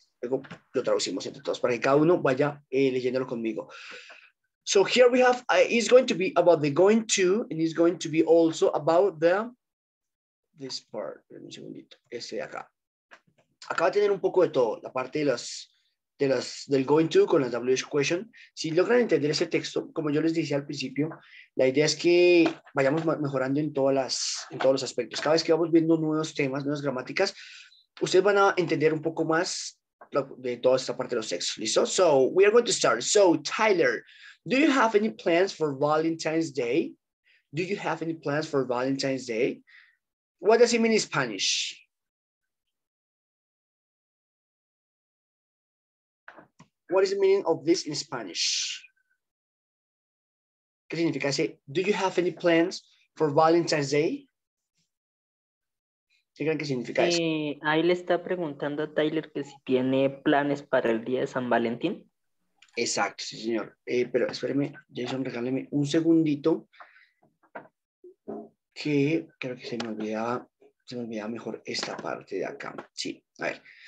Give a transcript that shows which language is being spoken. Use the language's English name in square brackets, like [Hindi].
[Spanish] Luego lo traducimos entre todos para que cada uno vaya leyéndolo conmigo. [English] So here we have, it's going to be about the going to, and it's going to be also about the, this part, [Spanish] un segundito, este de acá. Acá va a tener un poco de todo, la parte del going to con la WH question. Si logran entender ese texto, como yo les decía al principio, la idea es que vayamos mejorando en todos los aspectos. Cada vez que vamos viendo nuevos temas, nuevas gramáticas, ustedes van a entender un poco más de toda esta parte de los textos, ¿listo? [English] So, we are going to start. So, Tyler, do you have any plans for Valentine's Day? Do you have any plans for Valentine's Day? What does it mean in Spanish? What is the meaning of this in Spanish? [Spanish] ¿Qué significa ese? [English] Do you have any plans for Valentine's Day? [Spanish] ¿Qué creen que significa eso? Ahí le está preguntando a Tyler que si tiene planes para el día de San Valentín. Exacto, sí, señor. Pero espéreme, Jason, regáleme un segundito. Que creo que se me olvidaba mejor esta parte de acá. Sí, a ver.